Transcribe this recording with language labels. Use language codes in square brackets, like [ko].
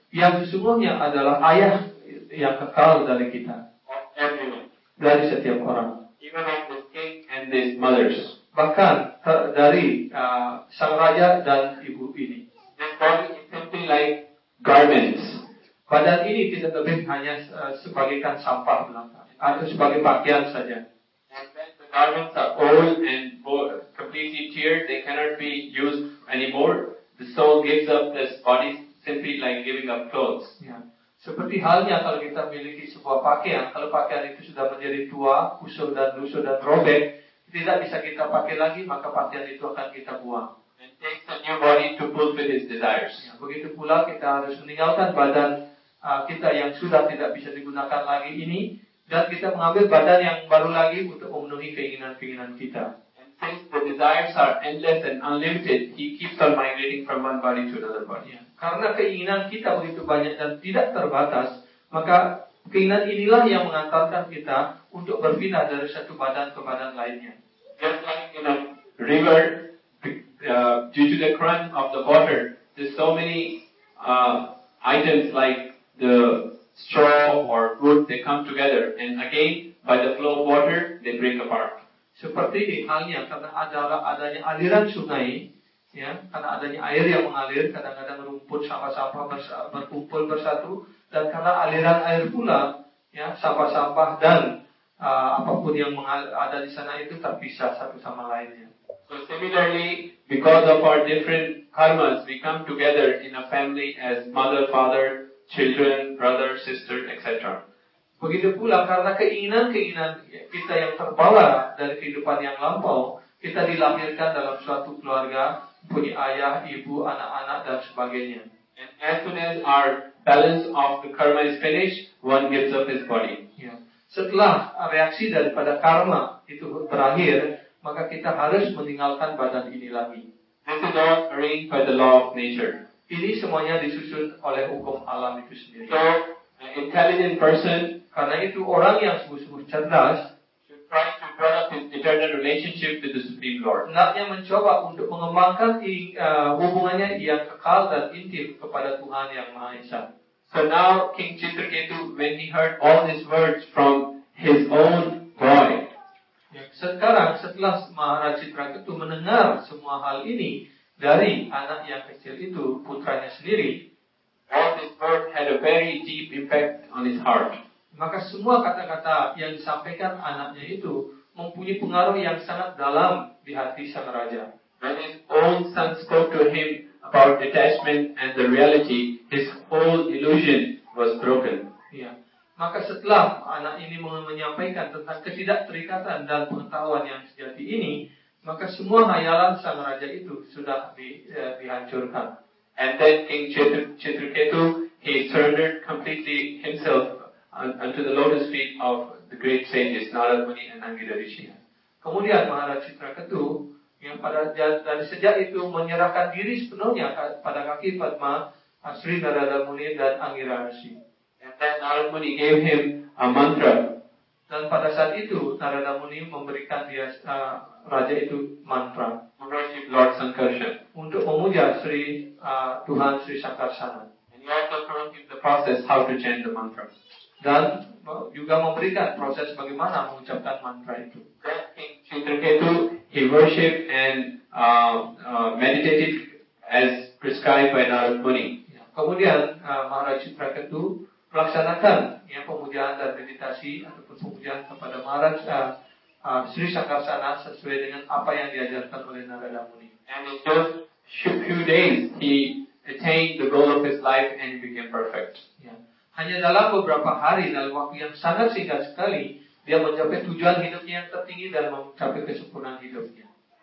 [id] Yang sesungguhnya adalah ayah yang kekal dari kita. Dari setiap orang. [en] Even of this king and these mothers. [id] Bahkan dari sang raja dan ibu ini. [en] This body is simply like garments. [id] Badan ini tidak lebih hanya sebagai kan sampah belaka. Atau sebagai pakaian saja. [en] Garments are old and completely teared, they cannot be used anymore. The soul gives up this body simply like giving up clothes. [id] Ya. Seperti halnya kalau kita memiliki sebuah pakaian, kalau pakaian itu sudah menjadi tua, kusut dan lusuh dan robek, tidak bisa kita pakai lagi, maka pakaian itu akan kita buang. [en] And takes a new body to fulfill his desires. [id] Ya. Begitu pula kita harus meninggalkan badan kita yang sudah tidak bisa digunakan lagi ini, dan kita mengambil badan yang baru lagi untuk memenuhi keinginan-keinginan kita. [en] And since the desires are endless and unlimited, he keeps on migrating from one body to another body. Yeah. [id] Karena keinginan kita begitu banyak dan tidak terbatas, maka keinginan inilah yang mengantarkan kita untuk berpindah dari satu badan ke badan lainnya. [en] Just like in a river, due to the current of the water, there's so many items like the straw or wood, they come together, and again by the flow of water they break apart. [id] Seperti halnya karena adanya aliran sungai, ya, karena adanya air yang mengalir, kadang-kadang rumput sampah-sampah berkumpul bersatu, dan karena aliran air pula, ya, sampah-sampah dan apapun yang ada di sana itu terpisah satu sama lainnya. [en] So similarly, because of our different karmas, we come together in a family as mother, father, children, brother, sister, etc. [id] Begitu pula karena keinginan-keinginan kita yang terbawa dari kehidupan yang lampau, kita dilahirkan dalam suatu keluarga, punya ayah, ibu, anak-anak, dan sebagainya. [en] And as soon as our balance of the karma is finished, one gives up his body. [id] Ya. Setelah reaksi daripada karma itu berakhir, maka kita harus meninggalkan badan ini lagi. [en] This is all arranged by the law of nature. [id] Ini semuanya disusun oleh hukum alam itu sendiri. [en] So, an intelligent person, [id] karena itu orang yang sungguh-sungguh cerdas, [en] should try to build up his eternal relationship with the Supreme Lord. [id] Hendaknya mencoba untuk mengembangkan hubungannya yang kekal dan intim kepada Tuhan Yang Maha Esa. [en] So now King Chitraketu, when he heard all these words from his own boy. [id] Ya, sekarang setelah Maharaja Chitraketu mendengar semua hal ini dari anak yang kecil itu, putranya sendiri, [en] all this word had a very deep impact on his heart. [id] Maka semua kata-kata yang disampaikan anaknya itu mempunyai pengaruh yang sangat dalam di hati sang raja. [en] When his own son spoke to him about detachment and the reality, his whole illusion was broken. [id] Ya. Maka setelah anak ini menyampaikan tentang ketidakterikatan dan pengetahuan yang sejati ini, maka semua khayalan sang raja itu sudah dihancurkan. [en] And then King Chitraketu, he surrendered completely himself unto the lotus feet of the great sages Narad Muni and Angida Rishi. [id] Kemudian Maharaj Chitraketu yang pada dari sejak itu menyerahkan diri sepenuhnya pada kaki Padma Sri Narada Muni dan Angira Rishi. [en] And then Narada Muni gave him a mantra. [id] Dan pada saat itu Narada Muni memberikan dia raja itu mantra. [en] To worship Lord Sankarsana. [id] Untuk memuja Sri Tuhan Sri Sankarsana. [en] And he also taught him the process how to chant the mantra. [id] Dan juga memberikan proses bagaimana mengucapkan mantra itu. [en] Chitraketu, he worshipped and meditated as prescribed by Narada Muni. [id] Kemudian Maharaj Chitraketu melaksanakan yang pemujaan dan meditasi ataupun pemujaan kepada Maharaj Sri Sankarsana sesuai dengan apa yang diajarkan oleh Narada Muni. [en] And in just few days, he attained the goal of his life and became perfect. [id] Hanya dalam beberapa hari dalam waktu yang sangat singkat sekali. Dia mencapai tujuan hidupnya yang tertinggi dan mencapai kesempurnaan hidupnya.